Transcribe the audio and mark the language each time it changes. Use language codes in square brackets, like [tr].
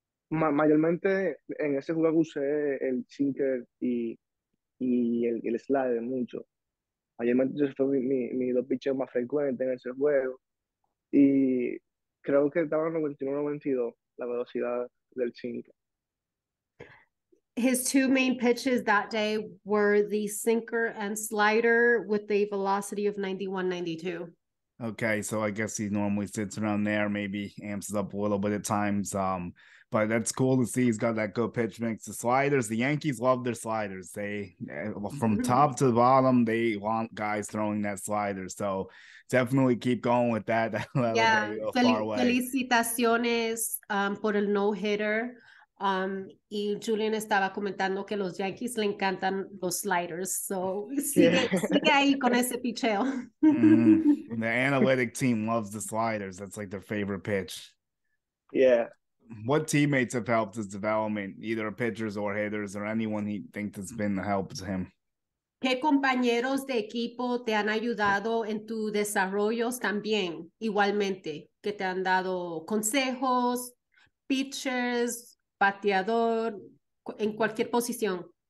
[es] Mayormente en ese juego usé el sinker y y el slider mucho. Ayer fue mi dos pitchers más frecuentes en ese juego. Y creo que estaba en 91-92 la velocidad del sinker. [en] His two main pitches that day were the sinker and slider with a velocity of 91-92. Okay, so I guess he normally sits around there, maybe amps it up a little bit at times. But that's cool to see he's got that good pitch mix. The sliders, the Yankees love their sliders. They from top to bottom, they want guys throwing that slider. So definitely keep going with that. That'll get Yeah, you a far way. [es] felicitaciones por el no-hitter. Y Julian estaba comentando que los Yankees le encantan los sliders, [en] so [es] sigue ahí con ese picheo. [en] The analytic team loves the sliders. That's like their favorite pitch. What teammates have helped his development, either pitchers or hitters, or anyone he thinks has been helped him? [es] ¿Qué compañeros de equipo te han ayudado en tus desarrollos también, igualmente, que te han dado consejos, pitchers, bateador en cualquier posición?